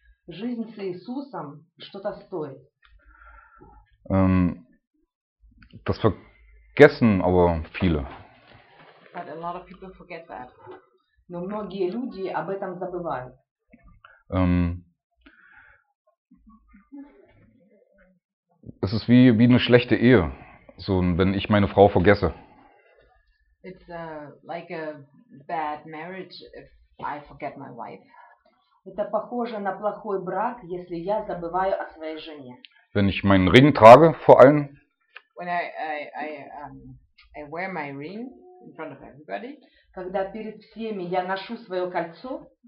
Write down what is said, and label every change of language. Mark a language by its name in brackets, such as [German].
[Russian] Жизнь с Иисусом что-то стоит. [German] Das vergessen aber viele. [English] But a lot of people forget that. [Russian] Но многие люди об этом забывают. [German] Es ist wie eine schlechte Ehe, so wenn ich meine Frau vergesse. [English] It's like a bad marriage if I forget my wife. [Russian] Это похоже на плохой брак, если я забываю о своей жене. [German] Wenn ich meinen Ring trage, vor allem. [English] When I wear my ring in front of everybody. [Russian] Когда перед всеми я ношу свое кольцо.